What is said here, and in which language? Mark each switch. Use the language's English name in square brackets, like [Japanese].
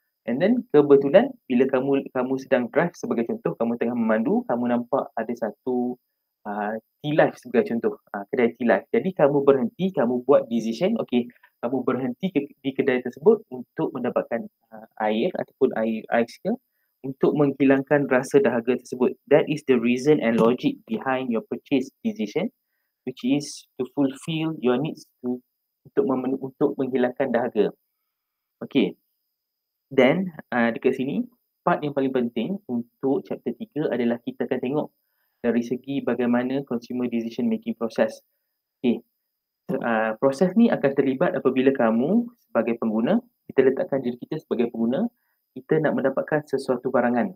[English] And then [Malay] kebetulan bila kamu sedang drive, sebagai contoh kamu tengah memandu, kamu nampak ada satu tea life, sebagai contoh kedai tea life. Jadi kamu berhenti, kamu buat decision, okay, kamu berhenti di kedai tersebut untuk mendapatkan air ataupun air ais ke untuk menghilangkan rasa dahaga tersebut. [English] That is the reason and logic behind your purchase decision, which is to fulfill your needs [Malay] untuk menghilangkan dahaga. Okay, then dekat sini part yang paling penting untuk chapter 3 adalah kita akan tengok dari segi bagaimana [English] consumer decision making process. [Malay] Okay, proses ni akan terlibat apabila kamu sebagai pengguna, kita letakkan diri kita sebagai pengguna, kita nak mendapatkan sesuatu barangan.